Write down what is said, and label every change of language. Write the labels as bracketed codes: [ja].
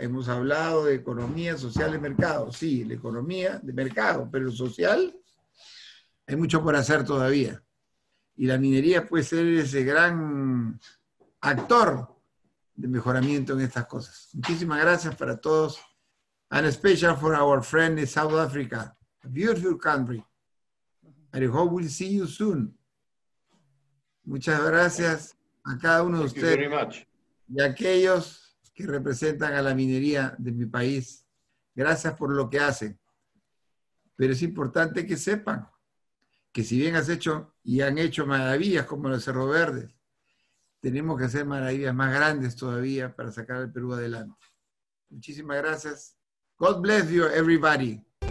[es] Hemos hablado de economía social de mercado. Sí, la economía de mercado, pero social hay mucho por hacer todavía. Y la minería puede ser ese gran actor de mejoramiento en estas cosas. Muchísimas gracias para todos. [en] And especially for our friend in South Africa. A beautiful country. I hope we'll see you soon. [es] Muchas gracias a cada uno de ustedes. [en] Thank you very much. [es] Y a aquellos que representan a la minería de mi país. Gracias por lo que hacen. Pero es importante que sepan que si bien has hecho y han hecho maravillas como los Cerro Verdes, tenemos que hacer maravillas más grandes todavía para sacar al Perú adelante. Muchísimas gracias. [en] God bless you, everybody.